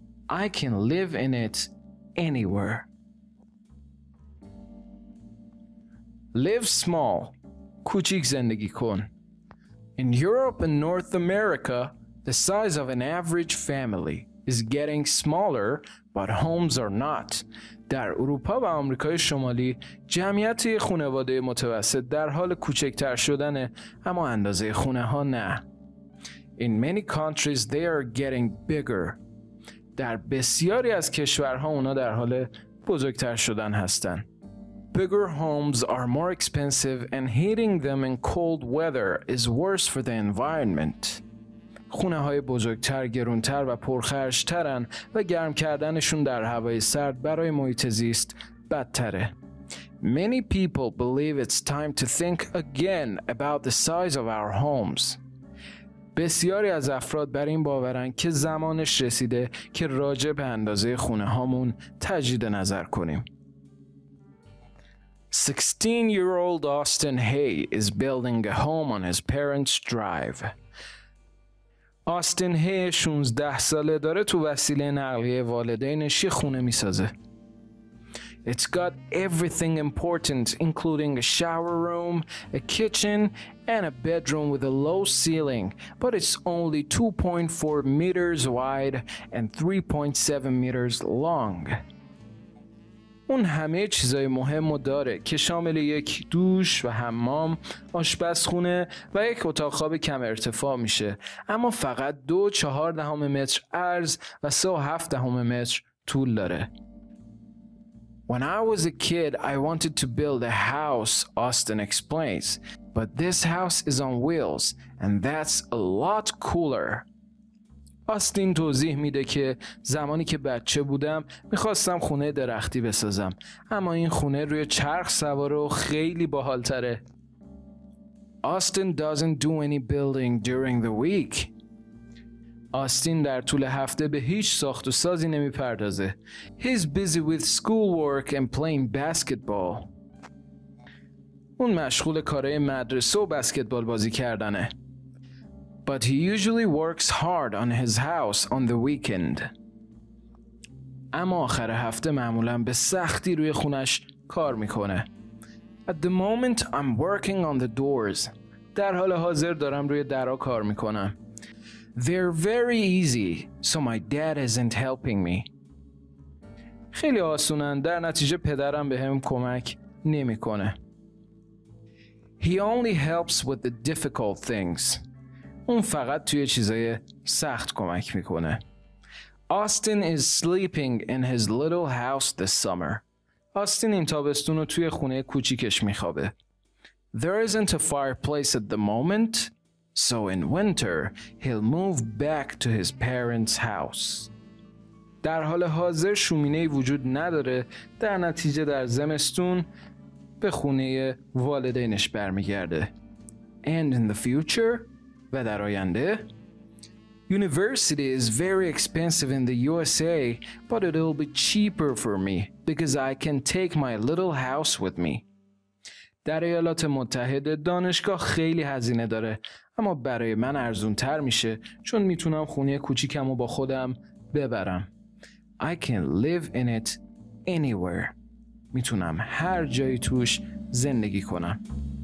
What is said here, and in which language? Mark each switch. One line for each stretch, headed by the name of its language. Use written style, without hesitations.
English: I can live in it anywhere. Live small.
Persian: کوچیک زندگی کن.
English: In Europe and North America, the size of an average family is getting smaller, but homes are not.
Persian: در اروپا و آمریکای شمالی جمعیت خانواده متوسط در حال کوچکتر شدنه، اما اندازه خونه ها نه.
English: In many countries they are getting bigger.
Persian: در بسیاری از کشورها اونا در حال بزرگتر شدن هستن.
English: Bigger homes are more expensive and heating them in cold weather is worse for the environment.
Persian: خونه های بزرگتر گرونتر و پرخرجترن و گرم کردنشون در هوای سرد برای محیط زیست بدتره.
English: Many people believe it's time to think again about the size of our homes.
Persian: بسیاری از افراد بر این باورن که زمانش رسیده که راجع به اندازه خونه هامون تجدید نظر کنیم.
English: 16-year-old Austin Hay is building a home on his parents' drive.
Persian: آستین هی 16 ساله داره تو وسیله نقلیه والدینش یه خونه میسازه.
English: It's got everything important, including a shower room, a kitchen, and a bedroom with a low ceiling, but it's only 2.4 meters wide and 3.7 meters long.
Persian: اون همه چیزای مهم رو داره که شامل یک دوش و حمام، آشپزخونه و یک اتاق خواب کم ارتفاع میشه، اما فقط 2.4 متر عرض و 3.7 متر طول داره.
English: When I was a kid, I wanted to build a house, Austin explains. But this house is on wheels, and that's a lot cooler.
Persian: آستین توضیح میده که زمانی که بچه بودم میخواستم خونه درختی بسازم، اما این خونه روی چرخ سواره و خیلی باحال تره.
English: Austin doesn't do any building during the week.
Persian: آستین در طول هفته به هیچ ساخت و سازی نمیپردازه.
English: He's busy with schoolwork and playing basketball.
Persian: اون مشغول کارهای مدرسه و بسکتبال بازی کردنه.
English: But he usually works hard on his house on the weekend.
Persian: اما آخر هفته معمولا به سختی روی خونش کار میکنه.
English: At the moment I'm working on the doors.
Persian: در حال حاضر دارم روی درها کار میکنم.
English: They're very easy, so my dad isn't helping me.
Persian: خیلی آسونن، در نتیجه پدرم به هم کمک نمیکنه.
English: He only helps with the difficult things.
Persian: اون فقط توی چیزای سخت کمک میکنه.
English: Austin is sleeping in his little house this summer.
Persian: آستین این تابستون رو توی خونه کوچیکش میخوابه.
English: There isn't a fireplace at the moment, so in winter he'll move back to his parents' house.
Persian: در حال حاضر شومینه وجود نداره، در نتیجه در زمستون به خونه والدینش برمیگرده.
English: And in the future,
Persian: و در آینده،
English: University is very expensive in the USA, but it'll be cheaper for me because I can take my little house with me.
Persian: در ایالات متحده دانشگاه خیلی هزینه داره، اما برای من ارزون تر میشه چون میتونم خونه کوچیکم رو با خودم ببرم.
English: I can live in it anywhere.
Persian: میتونم هر جایی توش زندگی کنم.